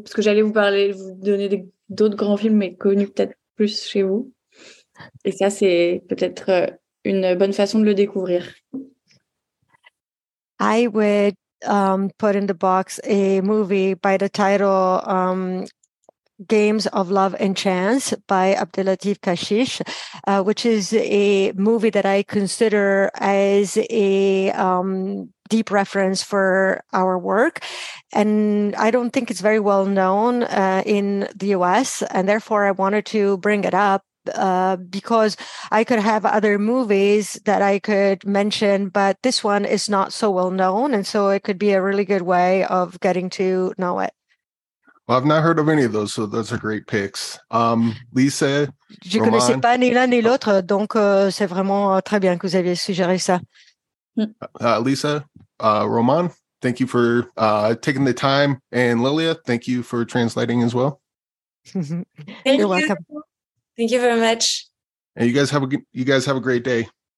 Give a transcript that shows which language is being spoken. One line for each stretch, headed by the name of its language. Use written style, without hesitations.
French: Parce que j'allais vous donner d'autres grands films, mais connus peut-être plus chez vous. Et ça, c'est peut-être une bonne façon de le découvrir.
English: I would put in the box a movie by the title Games of Love and Chance by Abdelatif Kechiche, which is a movie that I consider as a deep reference for our work. And I don't think it's very well known in the US, and therefore I wanted to bring it up because I could have other movies that I could mention, but this one is not so well known, and so it could be a really good way of getting to know it. Well, I've not heard of any of those, so those are great picks.
French: Lisa, je connaissais pas ni l'un ni l'autre, donc c'est vraiment très bien que vous aviez suggéré ça.
English: Lisa, Roman, thank you for taking the time, and Lilia, thank you for translating as well. You're welcome. Thank you very much. And you guys have a great day.